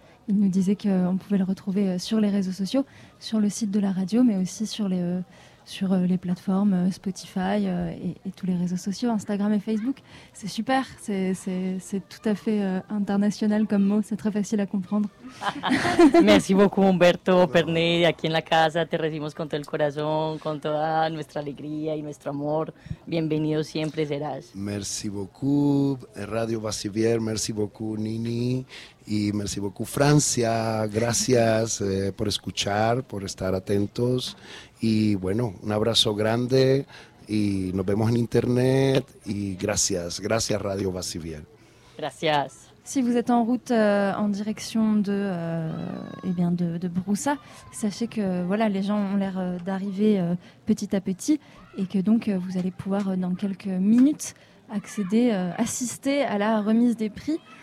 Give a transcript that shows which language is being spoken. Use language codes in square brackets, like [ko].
[fr] Il nous disait qu'on pouvait le retrouver sur les réseaux sociaux, sur le site de la radio, mais aussi sur les plateformes Spotify et tous les réseaux sociaux, Instagram et Facebook. C'est super, c'est tout à fait international comme mot, c'est très facile à comprendre. Merci beaucoup [es] Umberto, Pernet, aquí en la casa, te recibimos con todo el corazón, con toda nuestra alegría y nuestro amor. Bienvenido siempre, serás. [fr] Merci beaucoup, [es] Radio Vassivière, [fr] merci beaucoup [es] Nini, y merci beaucoup Francia, gracias por escuchar, por estar atentos. Y bueno, un abrazo grande y nos vemos en internet y gracias, gracias Radio Vassivière. Gracias. [fr] Si vous êtes en route en direction de Broussa, sachez que voilà, les gens ont l'air d'arriver petit à petit et que donc vous allez pouvoir dans quelques minutes accéder, assister à la remise des prix.